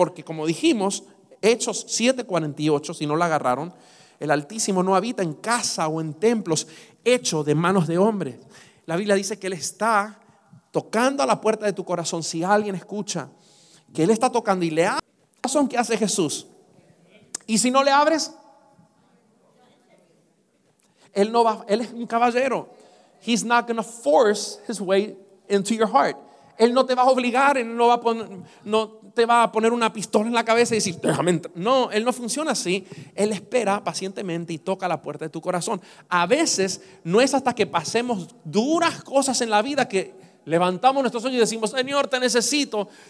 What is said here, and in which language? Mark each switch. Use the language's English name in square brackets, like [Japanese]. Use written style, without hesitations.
[Spanish] Porque como dijimos, Hechos 7:48, si no la agarraron, el Altísimo no habita en casa o en templos hecho de manos de hombres. La Biblia dice que él está tocando a la puerta de tu corazón. Si alguien escucha que él está tocando y le abre, ¿qué son que hace Jesús? Y si no le abres, él no va, él es un caballero. [English] He's not going to force his way into your heart. [Spanish] Él no te va a obligar, él no va a poner, no te va a poner una pistola en la cabeza y decir: déjame entrar. No, él no funciona así. Él espera pacientemente y toca la puerta de tu corazón. A veces no es hasta que pasemos duras cosas en la vida que levantamos nuestros ojos y decimos: Señor, te necesito.